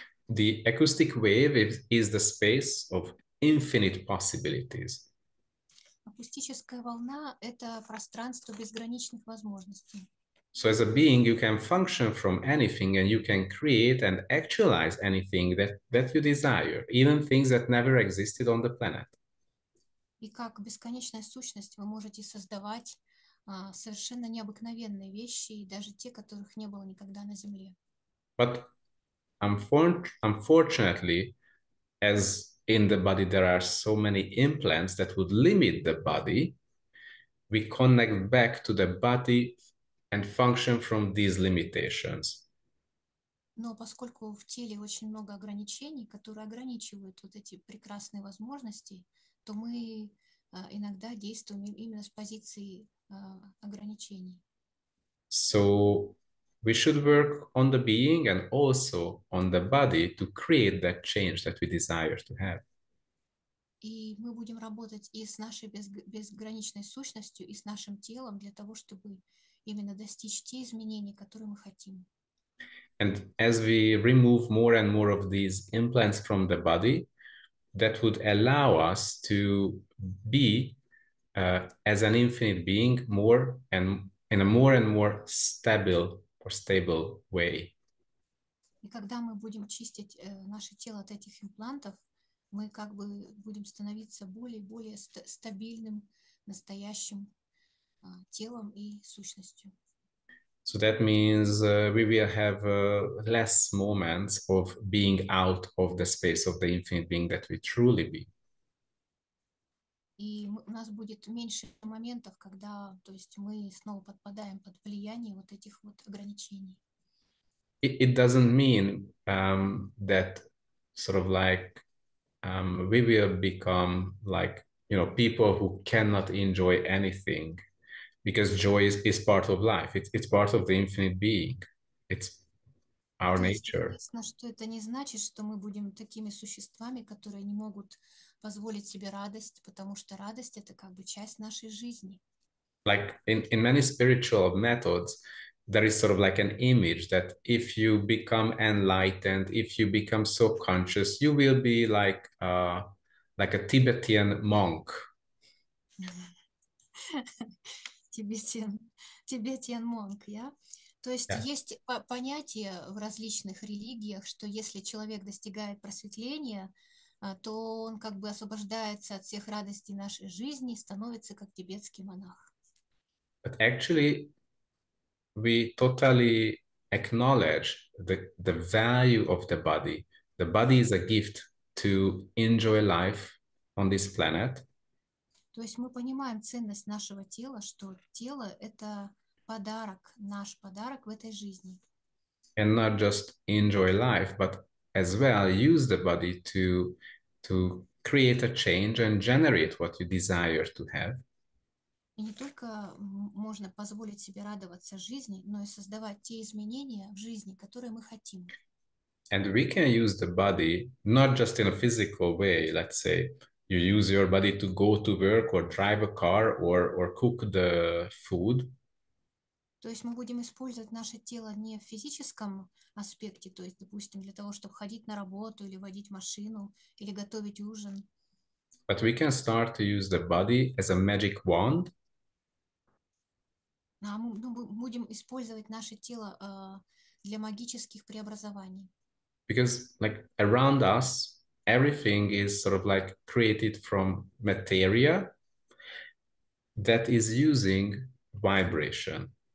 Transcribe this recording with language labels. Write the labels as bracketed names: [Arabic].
[English] The acoustic wave is the space of infinite possibilities. [Russian] Акустическая волна — это пространство безграничных возможностей. [English] So as a being, you can function from anything and you can create and actualize anything that you desire, even things that never existed on the planet. [Russian] И как бесконечная сущность вы можете создавать совершенно необыкновенные вещи, и даже те, которых не было никогда на Земле. [English] But unfortunately, as in the body there are so many implants that would limit the body, we connect back to the body and function from these limitations. [Russian] Но поскольку в теле очень много ограничений, которые ограничивают вот эти прекрасные возможности, то мы иногда действуем именно с позиции ограничений. [English] So we should work on the being and also on the body to create that change that we desire to have. [Russian] И мы будем работать и с нашей безграничной сущностью, и с нашим телом для того, чтобы именно достичь те изменения, которые мы хотим. [English] And as we remove more and more of these implants from the body, that would allow us to be as an infinite being more and in a more and more stable or stable way. [Russian] И когда мы будем чистить наше тело от этих имплантов, мы как бы будем становиться более и более стабильным настоящим телом и сущностью. [English] So that means we will have less moments of being out of the space of the infinite being that we truly be. [Russian] И у нас будет меньше моментов, когда, то есть, мы снова подпадаем под влияние вот этих вот ограничений. [English] It doesn't mean that sort of like we will become like, you know, people who cannot enjoy anything. Because joy is part of life. It's part of the infinite being. It's our nature. [Russian] Ясно, что это не значит, что мы будем такими существами, которые не могут позволить себе радость, потому что радость — это как бы часть нашей жизни. [English] Like in many spiritual methods, there is sort of like an image that if you become enlightened, if you become so conscious, you will be like a Tibetan monk. Tibetan monk, [Russian] я. [English] Yeah? [Russian] То есть [English] yeah. [Russian] Есть понятие в различных религиях, что если человек достигает просветления, то он как бы освобождается от всех радостей нашей жизни, становится как тибетский монах. [English] But actually, we totally acknowledge the value of the body. The body is a gift to enjoy life on this planet. [Russian] То есть мы понимаем ценность нашего тела, что тело — это подарок, наш подарок в этой жизни. [English] And not just enjoy life, but as well use the body to create a change and generate what you desire to have. [Russian] И не только можно позволить себе радоваться жизни, но и создавать те изменения в жизни, которые мы хотим. [English] And we can use the body not just in a physical way, let's say, you use your body to go to work or drive a car or cook the food. [Russian] То есть мы будем использовать наше тело не в физическом аспекте, то есть, допустим, для того, чтобы ходить на работу или водить машину или готовить ужин. [English] But we can start to use the body as a magic wand. [Russian] Мы будем использовать наше тело для магических преобразований. [English] Because like around us, everything is sort of like created from materia that is using vibration.